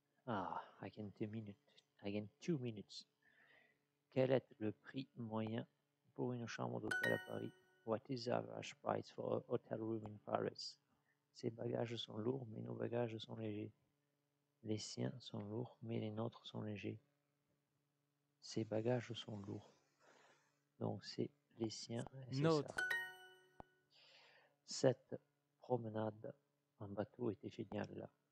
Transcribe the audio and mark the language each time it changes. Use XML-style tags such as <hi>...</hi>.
<en>Ah, I can 2 minutes.</en> <fr>Quel est le prix moyen pour une chambre d'hôtel à Paris?</fr> <en>What is the average price for a hotel room in Paris?</en> <fr>Ses bagages sont lourds, mais nos bagages sont légers. Les siens sont lourds, mais les nôtres sont légers. Ses bagages sont lourds. Donc c'est les siens et c'est nôtre. Ça. Cette promenade en bateau était géniale là.</fr>